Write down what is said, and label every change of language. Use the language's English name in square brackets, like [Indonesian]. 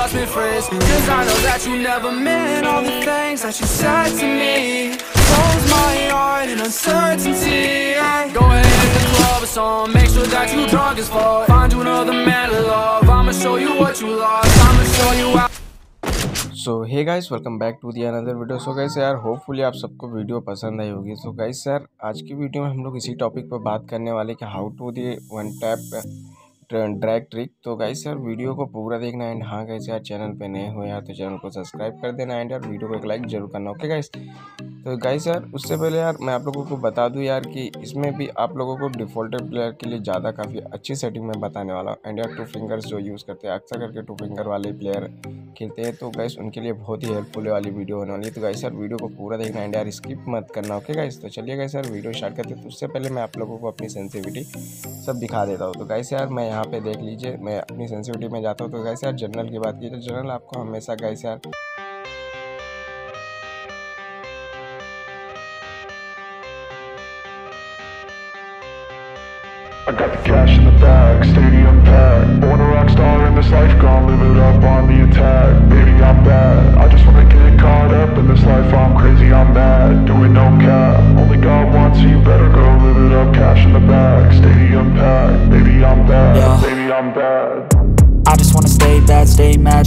[English] You never meant all the things that you said to me. Close my heart in uncertainty. Go ahead and hit the club or song. Make sure that you drunk as fuck. Find you another man to love. I'ma show you what you lost. I'ma show you how. So hey guys, welcome back to the another video. So guys यार, hopefully [Hindi] आप सबको video पसंद आई होगी. So guys यार, आज की video में हम लोग इसी टॉपिक पर बात करने वाले कि [English] How to the one tap drag trick. [Hindi] तो गाइस यार, वीडियो को पूरा देखना एंड हाँ गाइस यार, चैनल पे नए हो यार तो चैनल को सब्सक्राइब कर देना एंड यार वीडियो को एक लाइक जरूर करना. ओके गाइस, तो गाइस यार उससे पहले यार मैं आप लोगों को बता दूं यार कि इसमें भी आप लोगों को डिफॉल्टेड प्लेयर के लिए ज़्यादा काफ़ी अच्छी सेटिंग मैं बताने वाला हूँ. एंड यार टू फिंगर्स जो यूज़ करते हैं अक्सर करके, टू फिंगर वाले प्लेयर खेलते हैं, तो गाइस उनके लिए बहुत ही हेल्पफुल वाली वीडियो होने वाली है. तो गाइस यार वीडियो को पूरा देखना एंड यार स्किप मत करना. ओके गाइस, तो चलिए गाइस यार वीडियो स्टार्ट करते हैं. तो उससे पहले मैं आप लोगों को अपनी सेंसिटिविटी सब दिखा देता हूँ. तो गाइस यार मैं यहाँ पे देख लीजिए, मैं अपनी सेंसिटिविटी में जाता हूँ. तो गाइस यार जनरल की बात की तो जनरल आपको हमेशा गाइस यार [English] I got the cash in the bag, stadium packed. Born a rock star in this life, gon' live it up on the attack. Baby, I'm bad, I just wanna get caught up in this life. I'm crazy, I'm mad, doing no cap. Only God wants you, better go live it up. Cash in the bag, stadium packed. Baby, I'm bad, yeah. Baby, I'm bad. I just wanna stay bad, stay mad.